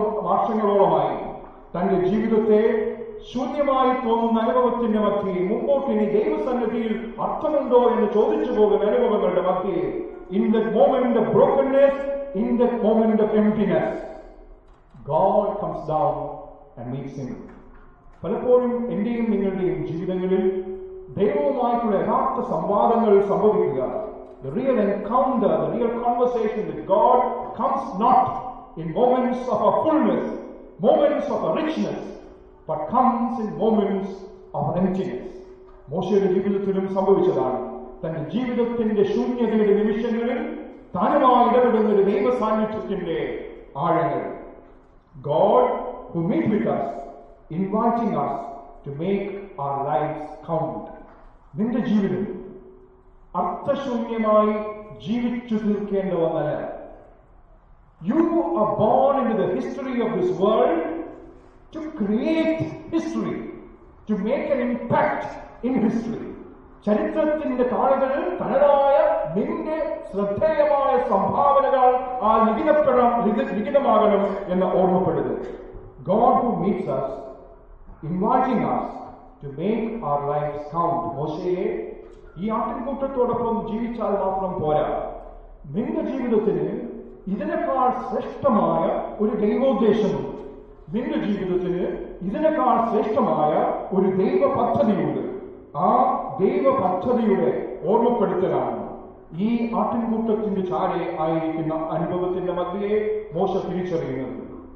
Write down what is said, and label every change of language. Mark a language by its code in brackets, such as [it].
[ml] വർഷങ്ങളോളമായി തന്റെ ജീവിതത്തെ ശൂന്യമായി തോന്നുന്ന അനുഭവത്തിന്റെ മധ്യയിൽ മുമ്പോട്ടിനി ദൈവസന്നിധിയിൽ അർത്ഥമുണ്ടോ എന്ന് ചോദിച്ചു പോകുന്ന അനുഭവങ്ങളുടെ മധ്യയിൽ [en] In that moment of brokenness, in that moment of emptiness, God comes down and meets him. [ml] പലപ്പോഴും എന്റെയും നിങ്ങളുടെയും ജീവിതങ്ങളിൽ ദൈവവുമായിട്ടുള്ള യഥാർത്ഥ സംവാദങ്ങൾ സംഭവിക്കുക. [en] The real encounter, the real conversation with God comes not in moments of our fullness, moments of our richness, but comes in moments of our emptiness. [ml] മോശയുടെ ജീവിതത്തിലും സംഭവിച്ചതാണ്. തന്റെ ജീവിതത്തിന്റെ ശൂന്യതയുടെ നിമിഷങ്ങളിൽ താനുമായി ഇടപെടുന്ന ഒരു ദൈവ സാന്നിധ്യത്തിന്റെ ആഴങ്ങൾ. [en] God who meet with us, inviting us to make our lives count. [ml] നിന്റെ ജീവിതം അർത്ഥശൂന്യമായി ജീവിച്ചു തീർക്കേണ്ട വന്നല്ല. [en] You are born into the history of this world to create history, to make an impact in history. [ml] ചരിത്രത്തിന്റെ താളുകളിൽ തനതായ നിന്റെ ശ്രദ്ധേയമായ സംഭാവനകൾ ആ ലിഖിതമാകണം എന്ന് ഓർമ്മപ്പെടുക. [en] God who meets us, inviting us to make our lives count. [ml] മോശയെ ഈ ആട്ടിൻകൂട്ടത്തോടൊപ്പം ജീവിച്ചാൽ മാത്രം പോരാ, നിന്റെ ജീവിതത്തിന് ഇതിനേക്കാൾ ശ്രേഷ്ഠമായ ഒരു ദൈവോദ്ദേശമുണ്ട്. നിന്റെ ജീവിതത്തിന് ഇതിനേക്കാൾ ശ്രേഷ്ഠമായ ഒരു ദൈവ പദ്ധതിയുണ്ട്. ആ ദൈവ പദ്ധതിയുടെ ഓർമ്മപ്പെടുത്തലാണ് ഈ ആട്ടിൻകൂട്ടത്തിന്റെ ചാര ആയിരിക്കുന്ന അനുഭവത്തിന്റെ മധ്യയെ മോശ തിരിച്ചറിയുന്നത്.